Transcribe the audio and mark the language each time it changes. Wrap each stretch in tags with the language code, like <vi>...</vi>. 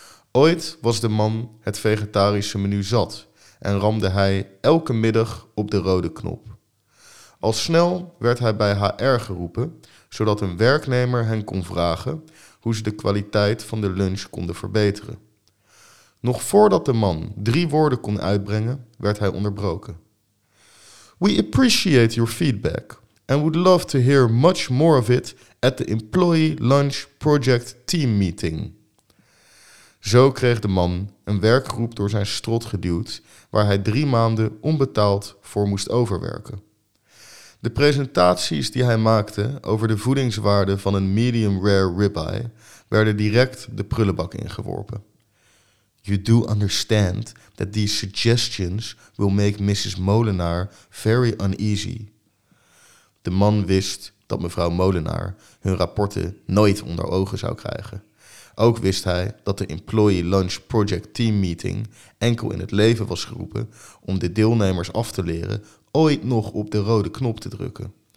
<nl>Ooit was de man het vegetarische menu zat en ramde hij elke middag op de rode knop. Al snel werd hij bij HR geroepen, zodat een werknemer hen kon vragen hoe ze de kwaliteit van de lunch konden verbeteren. Nog voordat de man 3 woorden kon uitbrengen, werd hij onderbroken.</nl> <en>We appreciate your feedback and would love to hear much more of it at the employee lunch project team meeting.</en> <nl>Zo kreeg de man een werkgroep door zijn strot geduwd waar hij 3 maanden onbetaald voor moest overwerken. De presentaties die hij maakte over de voedingswaarde van een medium rare ribeye werden direct de prullenbak ingeworpen.</nl> <en>You do understand that these suggestions will make Mrs. Molenaar very uneasy.</en> <nl>De man wist dat mevrouw Molenaar hun rapporten nooit onder ogen zou krijgen. Ook wist hij dat de Employee Lunch Project Team Meeting enkel in het leven was geroepen om de deelnemers af te leren ooit nog op de rode knop te drukken.</nl>